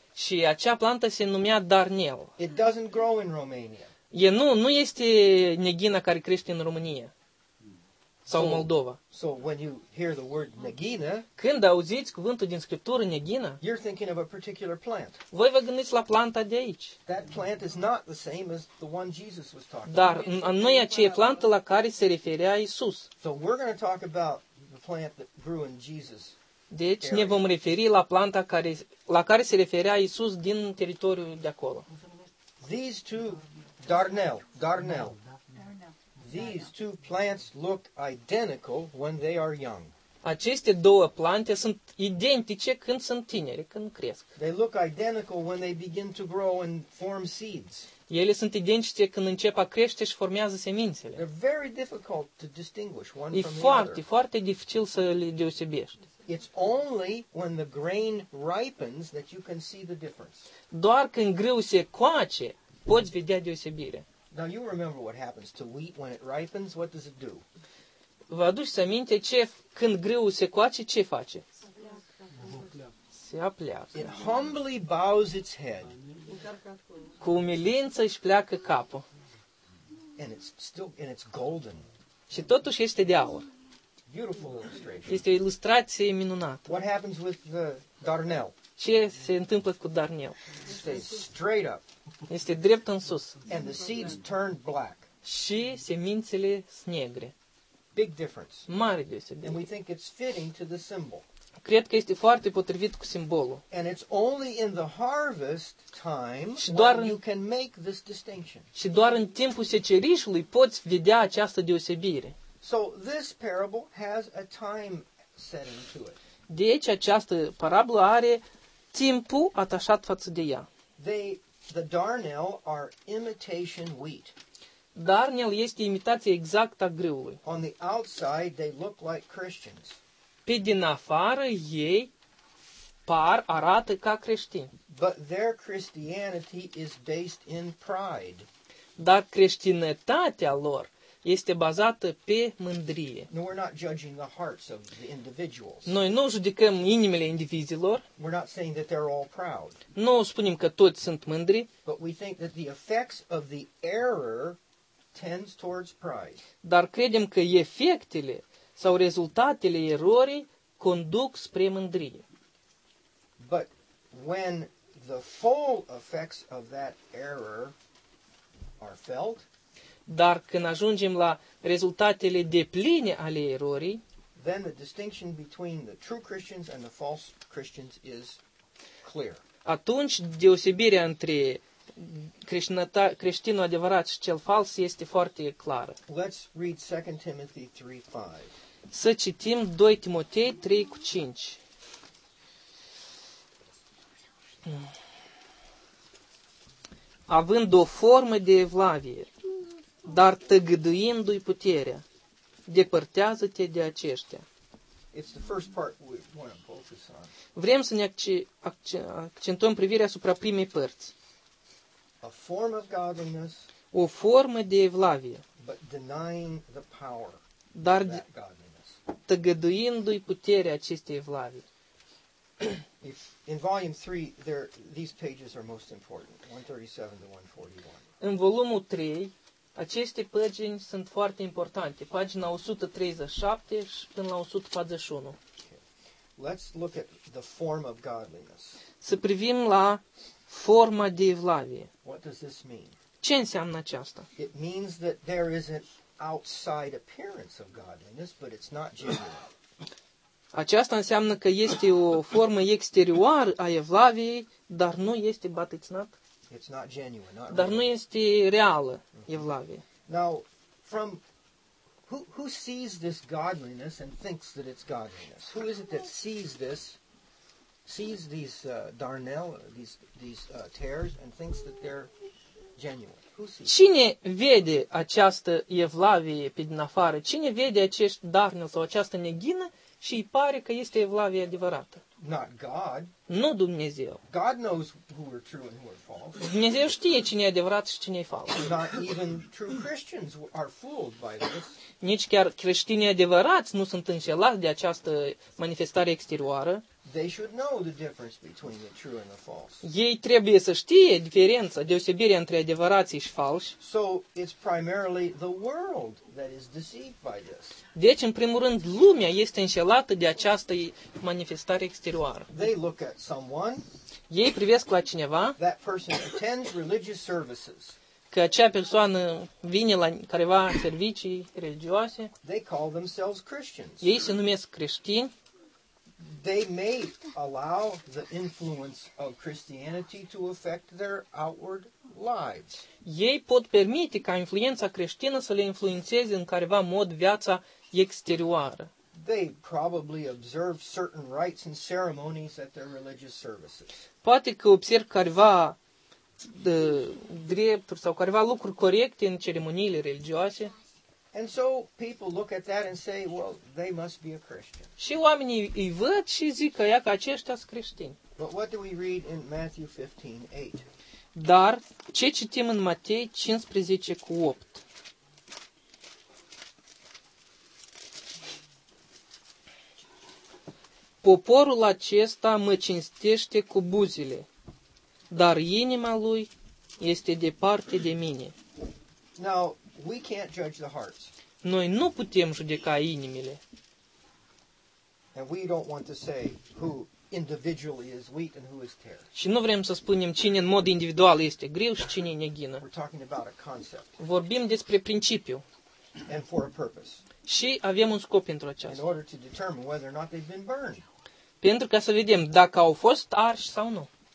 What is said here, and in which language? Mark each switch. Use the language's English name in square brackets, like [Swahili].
[Romanian] Și acea plantă se numea darnel. [English] It doesn't grow in Romania. [Romanian] E nu este neghina care crește în România sau în Moldova. [English] So when you hear the word neghina, [Romanian] când auziți cuvântul din Scriptură neghina, [English] you're thinking of a particular plant. [Romanian] Voi vă gândiți la planta de aici. [English] That plant is not the same as the one Jesus was talking [Romanian] Dar [English] about. [Romanian] Dar nu e aceea plantă la care se referea Iisus. [English] So we're going to talk about the plant that grew in Jesus. [Romanian] Deci ne vom referi la planta care, la care se referea Iisus din teritoriul de acolo. [English] These two, darnel. These two plants look identical when they are young. [Romanian] Aceste două plante sunt identice când sunt tineri, când cresc. [English] They look identical when they begin to grow and form seeds. [Romanian] Ele sunt identice când încep a crește și formează semințele. [English] They're very difficult to distinguish one from the other. [Romanian] E foarte, foarte dificil să le deosebești. [English] It's only when the grain ripens that you can see the difference. [Romanian] Doar când grâul se coace, poți vedea deosebire. [English] Now you remember what happens to wheat when it ripens, what does it do? [Romanian] Vă aduceți aminte ce când grâul se coace, ce face? Se apleacă. [English] It humbly bows its head. [Romanian] Cu umilință își pleacă capul. [English] And it's still and it's golden. [Romanian] Și totuși este de aur. [English] Beautiful illustration. [Romanian] Este o ilustrație minunată. [English] What happens with the darnel? [Romanian] Ce se întâmplă cu darnel? [English] Stays straight up. [Romanian] Este drept în sus. [English] And the seeds turn black. [Romanian] Și semințele sunt negre. [English] Big difference. [Romanian] Mare deosebire. [English] And we think it's fitting to the symbol. [Romanian] Cred că este foarte potrivit cu simbolul. [English] And it's only in the harvest time when you can make this distinction. [Romanian] Și doar în timpul secerișului poți vedea această deosebire. [English] So this parable has a time setting to it. [Romanian] Deci această parabolă are timpul atașat față de ea. [English] The darnel are imitation wheat. [Romanian] Darnel este imitația exactă a grâului. [English] On the outside they look like Christians. [Romanian] Pe din afară ei par arată ca creștini. [English] But their Christianity is based in pride. [Romanian] Dar creștinătatea lor este bazată pe mândrie. [English] No, we're not judging the hearts of the individuals. [Romanian] Noi nu judecăm inimile indivizilor. [English] We're not saying that they're all proud. [Romanian] Nu spunem că toți sunt mândri. [English] But we think that the effects of the error tends towards pride. [Romanian] Dar credem că efectele sau rezultatele erorii conduc spre mândrie. [English] But when the full effects of that error are felt, [Romanian] Dar când ajungem la rezultatele depline ale erorii, [English] then the distinction between the true Christians and the false Christians is clear. [Romanian] Atunci deosebirea între creștinul adevărat și cel fals este foarte clară. [English] Let's read 2 Timothy 3:5. [Romanian] Să citim 2 Timotei 3:5. Având o formă de evlavie, dar tăgăduindu-i puterea, depărtează-te de aceștia. [English] It's the first part we want to focus on. [Romanian] Vrem să ne accentuăm privirea asupra primei părți. [English] A form of godliness, [Romanian] o formă de evlavie, [English] but denying the power, [Romanian] dar [English] that godliness, [Romanian] tăgăduindu-i puterea acestei evlavie. [English] In volume 3, there, these pages are most important, 137 to 141. [Romanian] În volumul 3, aceste pagini sunt foarte importante, pagina 137 până la 141. [English] Okay. Let's look at the form of godliness. [Romanian] Să privim la forma de evlavie. [English] What does this mean? [Romanian] Ce înseamnă aceasta? [English] It means that there is an outside appearance of godliness, but it's not genuine. [Romanian] Aceasta înseamnă că este o formă exterioară a evlaviei, dar nu este batâțnat. [English] It's not genuine, not [Romanian] dar nu este reală evlavie. [English] Now, from who sees this godliness and thinks that it's godliness? Who is it that sees this, sees these darnel, these tares, and thinks that they're genuine? Who sees? [Romanian] Cine vede această evlavie pe din afară? Cine vede acest darnel sau această neghină și îi pare că este evlavie adevărată? [English] Not God. [Romanian] Nu Dumnezeu. [English] God knows who are true and who are false. [Romanian] Dumnezeu știe cine e adevărat și cine e fals. [English] Not even true Christians are fooled by this. [Romanian] Nici chiar creștinii adevărați nu sunt înșelați de această manifestare exterioară. [English] They should know the difference between the true and the false. [Romanian] Ei trebuie să știe diferența, deosebirea între adevărații și falși. [English] So it's primarily the world that is deceived by this. [Romanian] Deci, în primul rând, lumea este înșelată de această manifestare exterioară. [English] They look at someone. [Romanian] Ei privesc la cineva. [English] That person attends religious services. [Romanian] Că acea persoană vine la careva servicii religioase. [English] They call themselves Christians. [Romanian] Ei se numesc creștini. [English] They may allow the influence of Christianity to affect their outward lives. [Romanian] Ei pot permite ca influența creștină să le influențeze în careva mod viața exterioară. [English] They probably observe certain rites and ceremonies at their religious services. [Romanian] Poate că observ careva drepturi sau careva lucruri corecte în ceremoniile religioase. [English] And so people look at that and say, well, they must be a Christian. [Romanian] Și oamenii îi văd și zic că ia că aceștia sunt creștini. [English] But what do we read in Matthew 15:8? [Romanian] Dar ce citim în Matei 15:8? Poporul acesta mă cinstește cu buzile, dar inima lui este departe de mine. [English] Now, we can't judge the hearts. [Romanian] Noi nu putem judeca inimile. [English] And we don't want to say who individually is wheat and who is tares. [Romanian] Și nu vrem să spunem cine în mod individual este greu și cine neghină. [English] We're talking about a concept. [Romanian] Vorbim despre principiu. [English] And for a purpose. [Romanian] Și avem un scop pentru aceasta. [English] In order to determine whether or not they've been burned. [Romanian] Pentru ca să vedem dacă au fost arși sau nu.